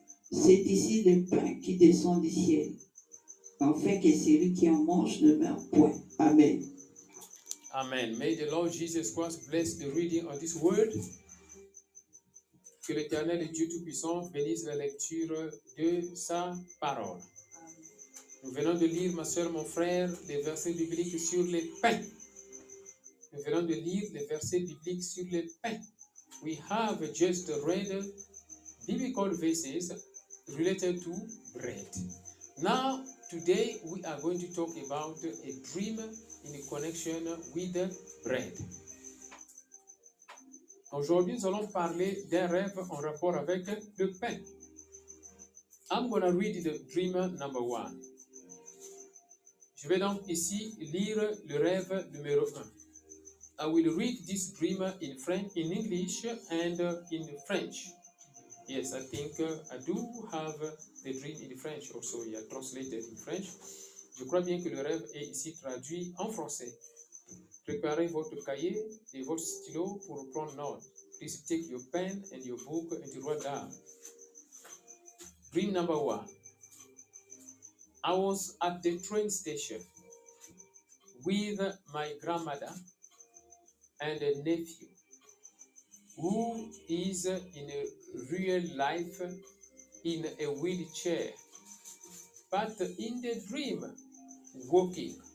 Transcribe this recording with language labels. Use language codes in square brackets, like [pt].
[fr] C'est ici le pain qui descend du ciel, afin que celui qui en mange ne meure point. Amen. Amen. [en] May the Lord Jesus Christ bless the reading of this word. [fr] Que l'Éternel Dieu Tout-Puissant bénisse la lecture de sa parole. Nous venons de lire, ma soeur, mon frère, les versets bibliques sur les pains. Nous venons de lire les versets bibliques sur les pains. [en] We have just read biblical verses related to bread. Now, today we are going to talk about a dream in connection with bread. [fr] Aujourd'hui, nous allons parler d'un rêve en rapport avec le pain. [en] I'm going to read the dream number one. [fr] Je vais donc ici lire le rêve numéro 1. [en] I will read this dream in English and in French. Yes, I think I do have the dream in French also. It is translated in French. [fr] Je crois bien que le rêve est ici traduit en français. Préparez votre cahier et votre stylo pour prendre note. [en] Please take your pen and your book and write down. Dream number one. I was at the train station with my grandmother and a nephew who is in a real life in a wheelchair, but in the dream walking.